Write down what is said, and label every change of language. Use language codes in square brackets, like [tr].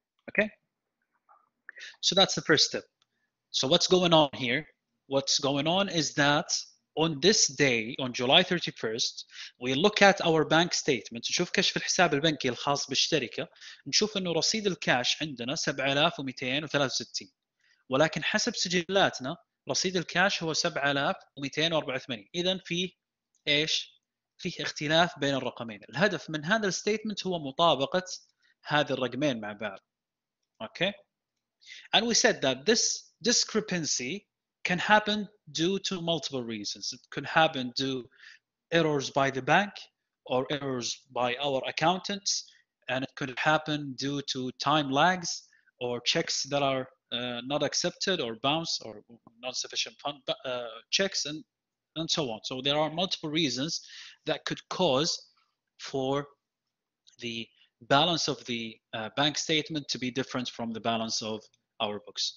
[en] Okay. So that's the first step. So what's going on here? What's going on is that on this day, on July 31st, we look at our bank statement. [ar] نشوف كشف الحساب البنكي الخاص بالشركة. نشوف إنه رصيد الكاش عندنا 7,263. ولكن حسب سجلاتنا رصيد الكاش هو 7,284. إذن في إيش؟ فيه اختلاف بين الرقمين. الهدف من هذا الستيتمنت هو مطابقة هذه الرقمين مع بعض. [en] Okay. And we said that this discrepancy can happen due to multiple reasons. It could happen due errors by the bank or errors by our accountants, and it could happen due to time lags or checks that are not accepted or bounce or non-sufficient fund checks and so on. So there are multiple reasons that could cause for the balance of the bank statement to be different from the balance of our books.